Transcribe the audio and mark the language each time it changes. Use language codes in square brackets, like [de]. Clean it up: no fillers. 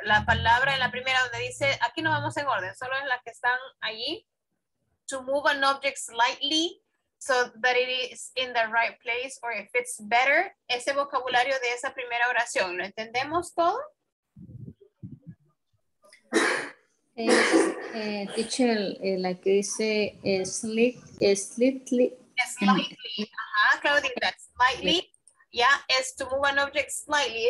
[es] La palabra en la primera donde dice, aquí no vamos en orden, solo en las que están allí. [en] To move an object slightly so that it is in the right place or it fits better. [es] Ese vocabulario de esa primera oración, ¿lo entendemos todo? La que dice slightly. [en] Claudia, slightly. Yeah, es to move an object slightly.